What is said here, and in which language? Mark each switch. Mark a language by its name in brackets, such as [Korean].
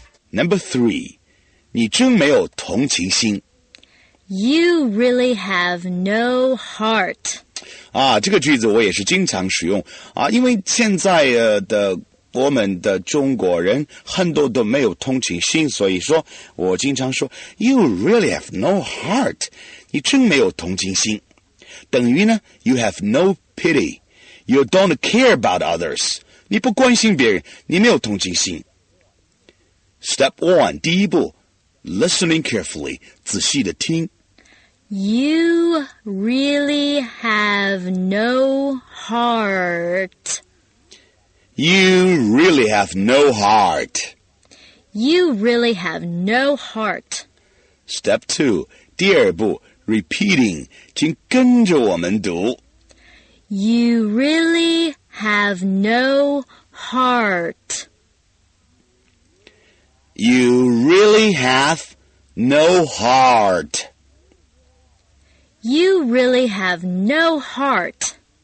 [English] Number three, [Chinese] 你真没有同情心。 [English] You really have no heart. [Chinese] 啊，这个句子我也是经常使用啊，因为现在的我们的中国人很多都没有同情心，所以说我经常说 [English] You really have no heart. [Chinese] 你真没有同情心，等于呢 [English] You have no pity. You don't care about others. [Chinese] 你不关心别人，你没有同情心。 [English] Step one, [Chinese] 第一步 [English] listening carefully, [Chinese] 仔细地听。 [English] You really have no heart. You really have no heart. You really have no heart. Step two, [Chinese] 第二步 [English] repeating, [Chinese] 请跟着我们读。 [English] You really have no heart. You really have no heart. You really have no heart.